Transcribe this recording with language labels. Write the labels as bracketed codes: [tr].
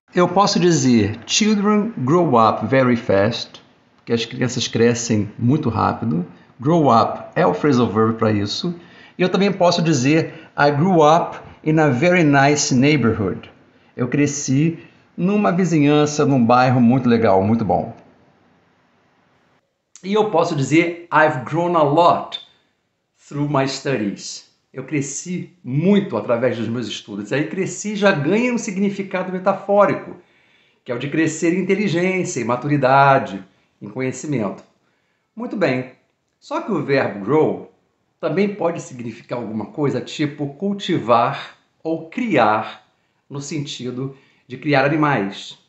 [pt] Eu posso dizer, [en] children grow up very fast, [pt] porque as crianças crescem muito rápido. Grow up é o phrasal verb para isso. E eu também posso dizer [en] I grew up in a very nice neighborhood. [pt] Eu cresci numa vizinhança, num bairro muito legal, muito bom. E eu posso dizer [en] I've grown a lot through my studies. [pt] Eu cresci muito através dos meus estudos. Aí cresci já ganha um significado metafórico, que é o de crescer em inteligência, em maturidade, em conhecimento. Muito bem. Só que o verbo grow também pode significar alguma coisa tipo cultivar ou criar, no sentido de criar animais.